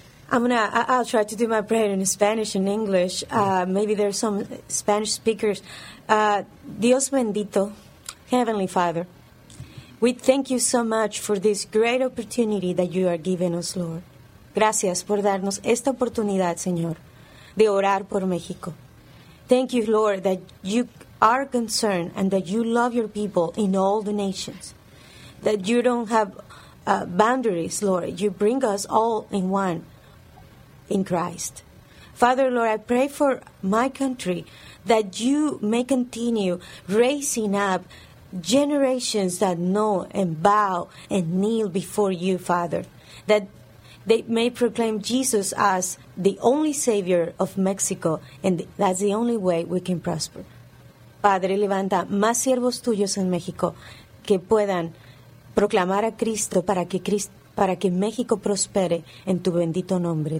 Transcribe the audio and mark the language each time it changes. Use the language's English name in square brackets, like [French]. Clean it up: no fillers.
[English] I'll try to do my prayer in Spanish and English. Maybe there are some Spanish speakers. [Spanish] Dios bendito, [English] Heavenly Father, we thank you so much for this great opportunity that you are giving us, Lord. [Spanish] Gracias por darnos esta oportunidad, Señor, de orar por México. [English] Thank you, Lord, that you are concerned and that you love your people in all the nations, that you don't have boundaries, Lord. You bring us all in one in Christ. Father, Lord, I pray for my country that you may continue raising up generations that know and bow and kneel before you, Father, that they may proclaim Jesus as the only Savior of Mexico, and that's the only way we can prosper. [Spanish] Padre, levanta más siervos tuyos en México que puedan proclamar a Cristo para que México prospere en tu bendito nombre.